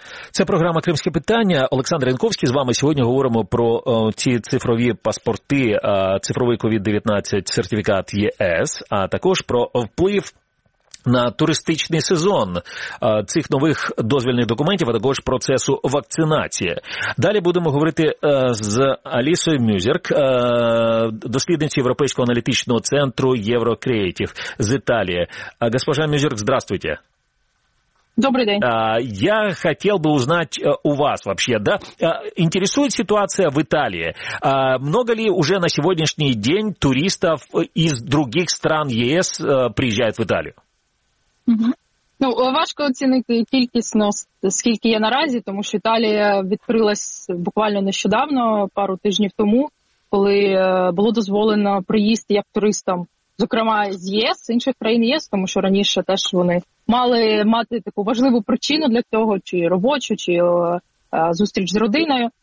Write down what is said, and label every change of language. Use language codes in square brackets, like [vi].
[uk] Це програма «Кримське питання». Олександр Янковський. З вами сьогодні говоримо про ці цифрові паспорти, цифровий COVID-19 сертифікат ЄС, а також про вплив на туристичний сезон цих нових дозвільних документів, а також процесу вакцинації. Далі будемо говорити з Алісою Мюзерк, дослідницею Європейського аналітичного центру Eurocreative з Італії. [ru] Госпожа Мюзерк, здравствуйте. Добрый день. Я хотел бы узнать у вас вообще, да, интересует ситуация в Италии. Много ли уже на сегодняшний день туристов из других стран ЕС приезжает в Италию? [uk] Ну, важко оцінити кількість, но скільки є наразі, тому що Італія відкрилась буквально нещодавно, пару тижнів тому, коли було дозволено приїзд як туристам, зокрема з ЄС, з інших країн ЄС, тому що раніше теж вони мали мати таку важливу причину для цього, чи робочу, чи зустріч з родиною.